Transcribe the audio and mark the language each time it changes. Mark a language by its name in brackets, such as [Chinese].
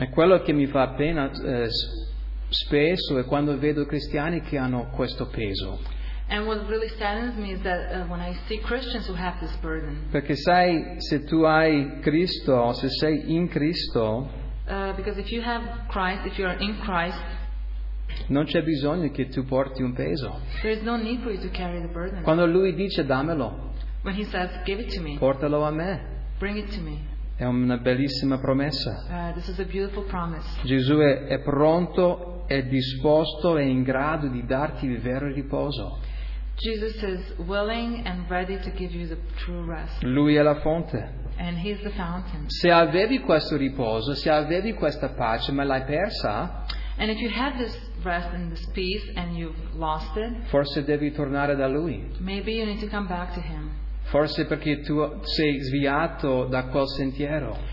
[Italian] E quello che mi fa pena spesso è quando vedo cristiani che hanno questo peso. [English] And what really saddens me is that when I see Christians who have this burden. [Italian] Perché sai, se tu hai Cristo, se sei in Cristo. [English] Because if you have Christ, if you are in Christ. [Italian] Non c'è bisogno che tu porti un peso. [English] There is no need for you to carry the burden. [Italian] Quando lui dice dammelo. [English] When he says give it to me. [Italian] Portalo a me. [English] Bring it to me. [Italian] È una bellissima promessa. [English] This is a beautiful promise. [Italian] Gesù è pronto, è disposto, è in grado di darti il vero riposo. [English] Jesus is willing and ready to give you the true rest. [Italian] Lui è la fonte. [English] And he is the fountain. [Italian] Se avevi questo riposo, se avevi questa pace, ma l'hai persa, [English] and if you had this rest and this peace and you've lost it, [Italian] forse devi tornare da lui. [English] Maybe you need to come back to him. [Italian] Forse perché tu sei sviato da quel sentiero.